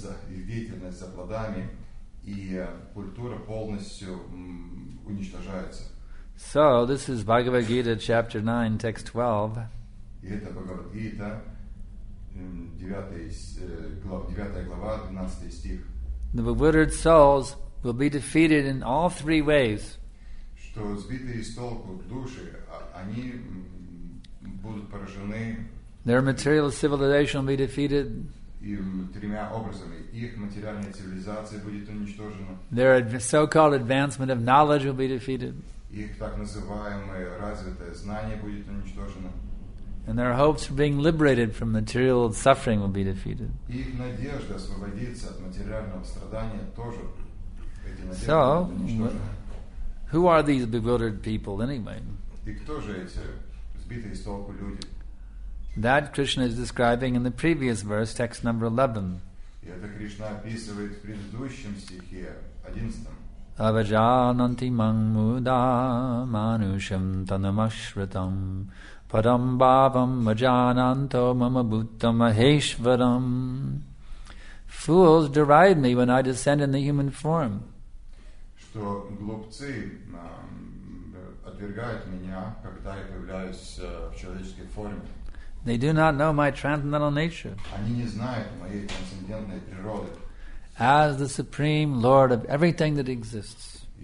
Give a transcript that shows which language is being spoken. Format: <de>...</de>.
<ru>Их деятельность за плодами и культура полностью уничтожается.</ru> <en>So this is Bhagavad Gita chapter 9 text 12.</en> <ru>И это Бхагавад Гита, 9 глава, 12 стих.</ru> <en>The bewildered souls will be defeated in all three ways.</en> <ru>Что сбитые с толку души, они будут поражены.</ru> <en>Their material civilization will be defeated.</en> <ru>И тремя образами. Их материальная цивилизация будет уничтожена.</ru> <en>Their so-called advancement of knowledge will be defeated.</en> <ru>Их так называемое развитое знание будет уничтожено.</ru> <en>And their hopes for being liberated from material suffering will be defeated.</en> <ru>Их надежда освободиться от материального страдания тоже.</ru> <en>So, who are these bewildered people anyway?</en> <ru>И кто же эти сбитые с толку люди?</ru> <en>That Krishna is describing in the previous verse, text number 11.</en> <ru>И это Кришна описывает в предыдущем стихе, 11.</ru> <sa>Avajananti mang muda manushim tanamashritam padam bhavam majananto mamabhutta maheshvaram.</sa> <en>Fools deride me when I descend in the human form.</en> <ru>Что глупцы отвергают меня, когда я появляюсь в человеческой форме.</ru> <en>They do not know my transcendental nature.</en> <ru>Они не знают моей трансцендентной природы.</ru> <en>As the supreme Lord of everything that exists.</en>